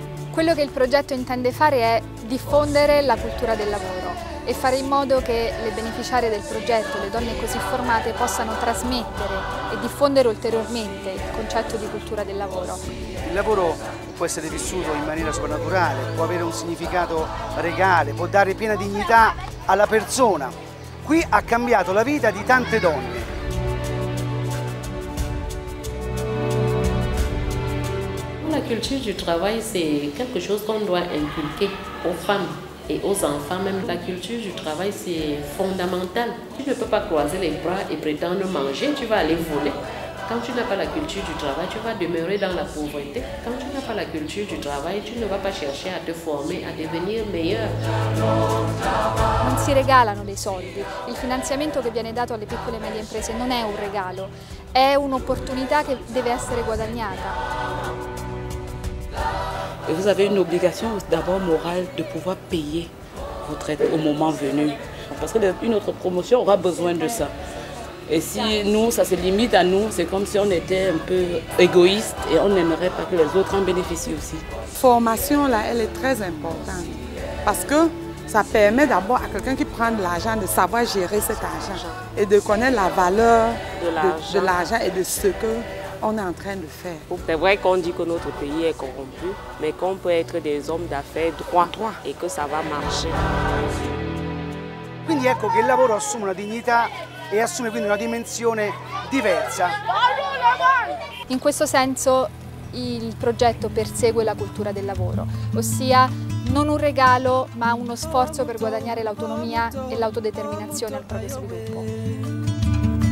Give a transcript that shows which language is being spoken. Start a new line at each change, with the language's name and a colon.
Italian: Quello che il progetto intende fare è diffondere la cultura del lavoro e fare in modo che le beneficiarie del progetto, le donne così formate, possano trasmettere e diffondere ulteriormente il concetto di cultura del lavoro. Il lavoro può essere vissuto in maniera soprannaturale, può avere un significato regale, può dare piena dignità alla persona. Qui ha cambiato la vita di tante donne.
French: La culture du travail, c'est quelque chose qu'on doit inculquer aux femmes et aux enfants. Même la culture du travail, c'est fondamental. Tu ne peux pas croiser les bras et prétendre manger, tu vas aller voler. Quand tu n'as pas la culture du travail, tu vas demeurer dans la pauvreté. Quand tu n'as pas la culture du travail, tu ne vas pas chercher à te former, à devenir meilleur.
Italian: Non si regalano dei soldi. Il finanziamento che viene dato alle piccole e medie imprese non è un regalo, è un'opportunità che deve essere guadagnata.
French: Et vous avez une obligation d'abord morale de pouvoir payer votre aide au moment venu. Parce qu'une autre promotion aura besoin de ça. Et si nous, ça se limite à nous, c'est comme si on était un peu égoïste et on n'aimerait pas que les autres en bénéficient aussi. Formation, là, elle est très importante. Parce que ça permet d'abord à quelqu'un qui prend de l'argent de savoir gérer cet argent et de connaître la valeur de l'argent et de ce qu'on est en train de faire. C'est vrai qu'on dit que notre pays est corrompu, mais qu'on peut être des hommes d'affaires droits et que ça va marcher.
Italian: Quindi ecco che il lavoro assume una dignità e assume quindi una dimensione diversa. In questo senso il progetto persegue la cultura del lavoro, ossia non un regalo ma uno sforzo per guadagnare l'autonomia e l'autodeterminazione al proprio sviluppo.